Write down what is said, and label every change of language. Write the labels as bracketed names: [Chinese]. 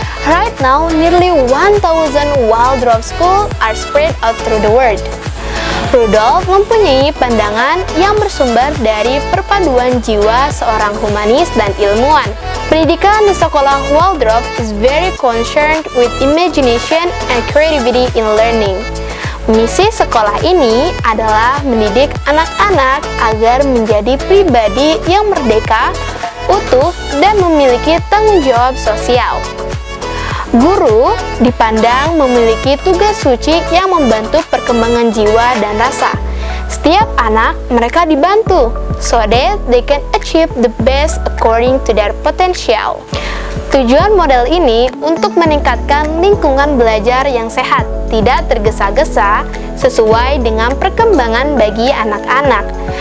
[English] Right now, nearly 1,000 Waldorf schools are spread out through the world. [Indonesian] Rudolf mempunyai pandangan yang bersumber dari perpaduan jiwa seorang humanis dan ilmuwan. Pendidikan di sekolah Waldorf [English] is very concerned with imagination and creativity in learning. [Indonesian] Misi sekolah ini adalah mendidik anak-anak agar menjadi pribadi yang merdeka, utuh, dan memiliki tanggung jawab sosial. Guru dipandang memiliki tugas suci yang membantu perkembangan jiwa dan rasa. Setiap anak mereka dibantu, [English] so that they can achieve the best according to their potential. [Indonesian] Tujuan model ini untuk meningkatkan lingkungan belajar yang sehat, tidak tergesa-gesa, sesuai dengan perkembangan bagi anak-anak.